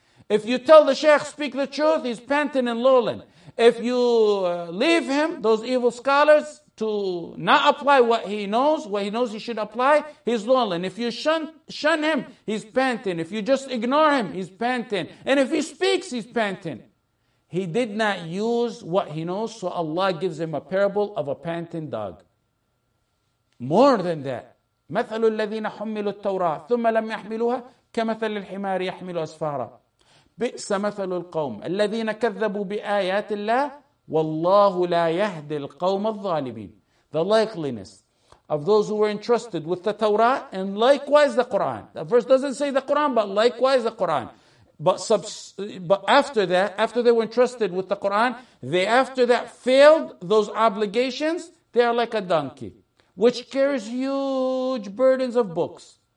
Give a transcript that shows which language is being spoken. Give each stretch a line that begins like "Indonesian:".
English: If you tell the sheikh, speak the truth, he's panting and lolling. If you leave him, those evil scholars, to not apply what he knows he should apply, he's lolling. If you shun him, he's panting. If you just ignore him, he's panting. And if he speaks, he's panting. He did not use what he knows, so Allah gives him a parable of a panting dog. More than that,
Arabic: مَثَلُ الَّذِينَ حُمِّلُوا التَّوْرَاةِ ثُمَّ لَمْ يَحْمِلُوهَا كَمَثَلِ الْحِمَارِ يَحْمِلُ أَسْفَارًا بِئْسَ مَثَلُ الْقَوْمِ الَّذِينَ كَذَّبُوا بِآيَاتِ اللَّهِ وَاللَّهُ لَا يَهْدِي الْقَوْمَ الظَّالِمِينَ.
English: The likeliness of those who were entrusted with the Torah and likewise the Quran. The verse doesn't say the Quran, but likewise the Quran. But after that, after they were entrusted with the Quran, they after that failed those obligations, they are like a donkey, which carries huge burdens of books.